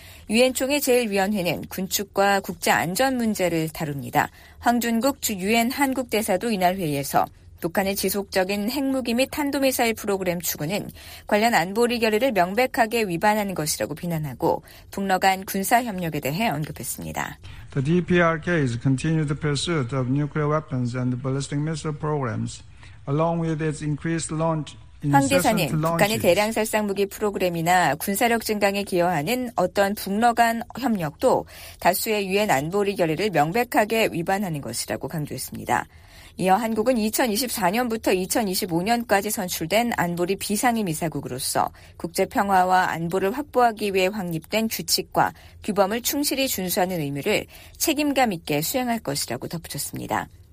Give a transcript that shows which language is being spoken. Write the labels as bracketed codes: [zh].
[ko] 유엔 총회 제1위원회는 군축과 국제 안전 문제를 다룹니다. 황준국 주 유엔 한국 대사도 이날 회의에서 북한의 지속적인 핵무기 및 탄도미사일 프로그램 추구는 관련 안보리 결의를 명백하게 위반하는 것이라고 비난하고 북러 간 군사협력에 대해 언급했습니다. [en] The DPRK's continued pursuit of nuclear weapons and ballistic missile programs, along with its increased launch [ko] 황 대사님, 북한의 대량 살상무기 프로그램이나 군사력 증강에 기여하는 어떤 북러 간 협력도 다수의 유엔 안보리 결의를 명백하게 위반하는 것이라고 강조했습니다. 이어 한국은 2024년부터 2025년까지 선출된 안보리 비상임 이사국으로서 국제 평화와 안보를 확보하기 위해 확립된 규칙과 규범을 충실히 준수하는 의무를 책임감 있게 수행할 것이라고 덧붙였습니다.